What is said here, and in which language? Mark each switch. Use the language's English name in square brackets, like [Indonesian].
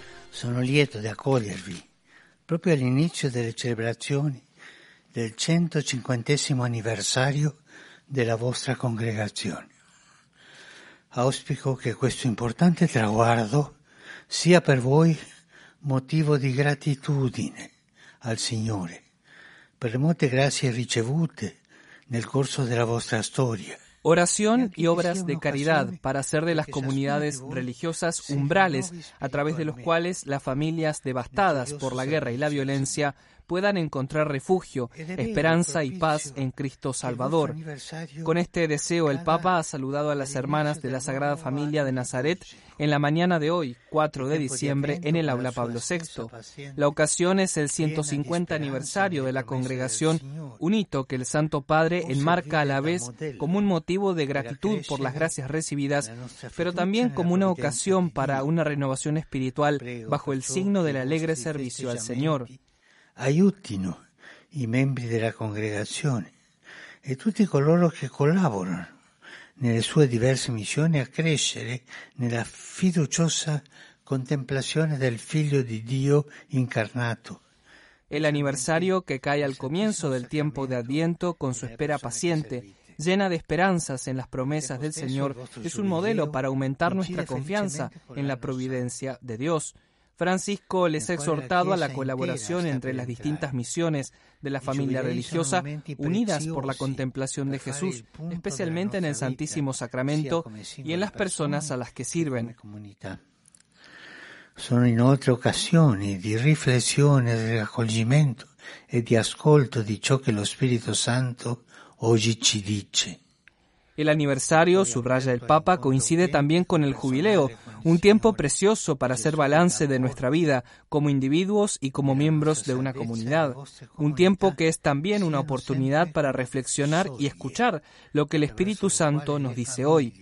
[Italian] Sono lieto di accogliervi proprio all'inizio delle celebrazioni del 150° anniversario della vostra congregazione. Auspico che questo importante traguardo sia per voi motivo di gratitudine al Signore per le molte grazie ricevute nel corso della vostra storia. [Spanish] Oración y obras de caridad para hacer de las comunidades religiosas umbrales a través de los cuales las familias devastadas por la guerra y la violencia puedan encontrar refugio, esperanza y paz en Cristo Salvador. Con este deseo, el Papa ha saludado a las hermanas de la Sagrada Familia de Nazaret en la mañana de hoy, 4 de diciembre, en el Aula Pablo VI. La ocasión es el 150 aniversario de la congregación, un hito que el Santo Padre enmarca a la vez como un motivo de gratitud por las gracias recibidas, pero también como una ocasión para una renovación espiritual bajo el signo del alegre servicio al Señor. [Italian] Aiutino i membri della congregazione e tutti coloro che collaborano nelle sue diverse missioni a crescere nella fiduciosa contemplazione del Figlio di Dio incarnato. [Spanish] El aniversario que cae al comienzo del tiempo de Adviento con su espera paciente, llena de esperanzas en las promesas del Señor, es un modelo para aumentar nuestra confianza en la providencia de Dios. Francisco les ha exhortado a la colaboración entre las distintas misiones de la familia religiosa, unidas por la contemplación de Jesús, especialmente en el Santísimo Sacramento y en las personas a las que sirven. [Italian] Son in altre occasioni di riflessione, di raccoglimento e di ascolto di ciò che lo Spirito Santo oggi ci dice. [Spanish] El aniversario, subraya el Papa, coincide también con el jubileo, un tiempo precioso para hacer balance de nuestra vida como individuos y como miembros de una comunidad. Un tiempo que es también una oportunidad para reflexionar y escuchar lo que el Espíritu Santo nos dice hoy.